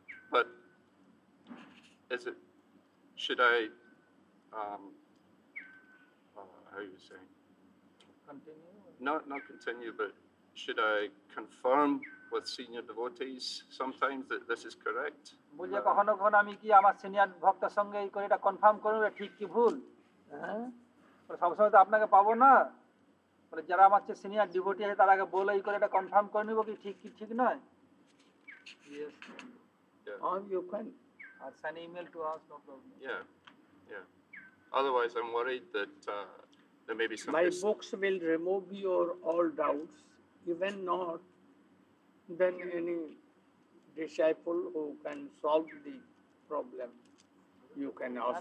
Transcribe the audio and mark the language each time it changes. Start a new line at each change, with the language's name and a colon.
English: But is it, should I how are you saying? Continue? Not continue, but should I confirm with senior devotees sometimes that this is correct?
Bangla: বলে কখনো কখনো আমি কি আমার senior ভক্তের সঙ্গে এই করে এটা কনফার্ম করব যে ঠিক কি ভুল? হ্যাঁ, সব সময় তো আপনাকে পাবো না, মানে যারা আমার চেয়ে সিনিয়র ডিভোটি আছে তার আগে বলে এই করে এটা কনফার্ম করে নিব কি ঠিক কি ঠিক নয়।
English: Yes, you can. I'll send email to us, no problem. Yeah. Otherwise, I'm worried that my books will remove your all doubts. Even not, then any disciple who can solve the problem, you can ask.